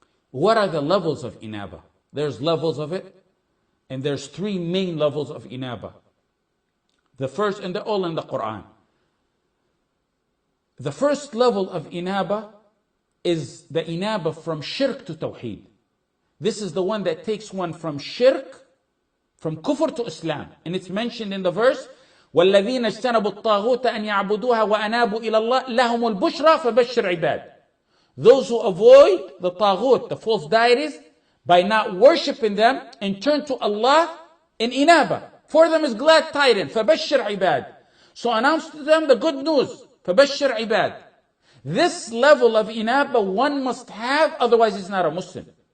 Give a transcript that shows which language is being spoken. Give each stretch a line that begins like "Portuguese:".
English: What are the levels of inaba? There's levels of it. And there's three main levels of inaba. The first, and they're all in the Quran. The first level of inaba is the inaba from shirk to tawheed. This is the one that takes one from shirk, from kufr to Islam. And it's mentioned in the verse,
Arabic: وَالَّذِينَ اجْتَنَبُوا الطَّاغُوتَ أَنْ يَعْبُدُوهَا وَأَنَابُوا إِلَى اللَّهِ لَهُمُ الْبُشْرَى فَبَشِّرْ عِبَادِ.
English: Those who avoid the taghut, the false deities, by not worshipping them, and turn to Allah in inaba. For them is glad tidings,
Arabic: فَبَشِّرْ عِبَادِ.
English: So announce to them the good news.
Arabic: فَبَشِّرْ عِبَادِ.
English: This level of inaba one must have, otherwise he's not a Muslim.